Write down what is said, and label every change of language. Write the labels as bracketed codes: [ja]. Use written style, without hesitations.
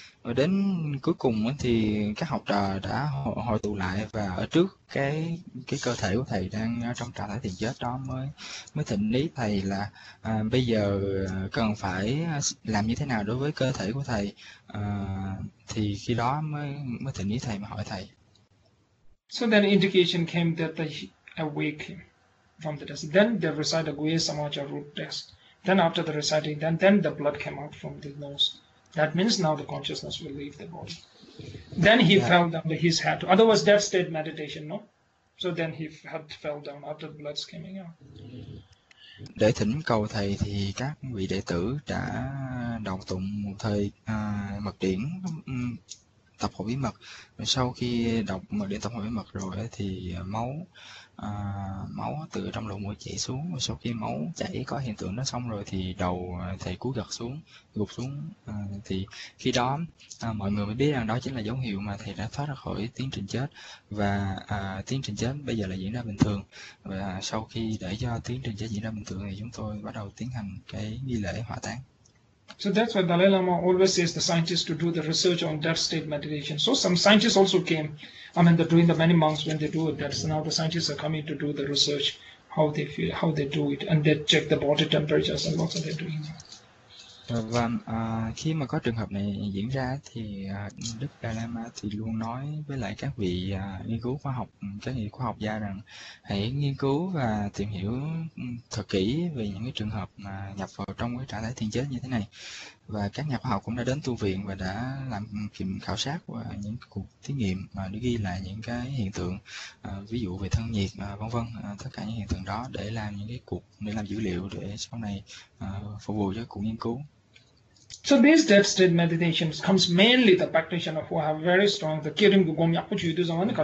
[vi] Và đến cuối cùng á, thì các học trò đã hội tụ lại và ở trước cái cơ thể của thầy đang trong trạng thái thiền chết đó, mới mới thỉnh lý thầy là bây giờ cần phải làm như thế nào đối với cơ thể của thầy. Thì khi đó mới mới thỉnh lý thầy mà hỏi thầy. [en] So then indication came that they awake from the desk. Then they recite the Guhya Samaja root desk. Then after the reciting, then the blood came out from the nose. That means now the consciousness will leave the body. Then he [vi] Dạ. [en] fell down, his head. Otherwise, death state meditation, no? So then he had fell down after the blood's coming out. [vi] Để thỉnh cầu thầy thì các vị đệ tử đã đọc tụng một thời mật điển tập hội bí mật. Sau khi đọc mật điển tập hội bí mật rồi thì máu máu từ trong lỗ mũi chảy xuống. Sau khi máu chảy có hiện tượng đó xong rồi thì đầu thầy cúi gật xuống, gục xuống. Thì khi đó mọi người mới biết rằng đó chính là dấu hiệu mà thầy đã thoát ra khỏi tiến trình chết, và tiến trình chết bây giờ là diễn ra bình thường. Và sau khi để cho tiến trình chết diễn ra bình thường thì chúng tôi bắt đầu tiến hành cái nghi lễ hỏa táng. [en] So that's why Dalai Lama always says the scientists to do the research on death state meditation. So some scientists also came. I mean, they're doing the many monks when they do it. That's now the scientists are coming to do the research, how they feel, how they do it, and they check the body temperatures and what are they doing. [vi] Và khi mà có trường hợp này diễn ra thì Đức Dalai Lama thì luôn nói với lại các vị nghiên cứu khoa học, các vị khoa học gia rằng hãy nghiên cứu và tìm hiểu thật kỹ về những cái trường hợp mà nhập vào trong cái trạng thái thiền chết như thế này. Và các nhà khoa học cũng đã đến tu viện và đã làm khảo sát và những cuộc thí nghiệm mà để ghi lại những cái hiện tượng, ví dụ về thân nhiệt, vân vân, tất cả những hiện tượng đó để làm những cái cuộc, để làm dữ liệu để sau này phục vụ cho cuộc nghiên cứu. [en] So this death state meditation comes mainly the practitioner who have very strong the kirin gugom yakuchu yudu zaman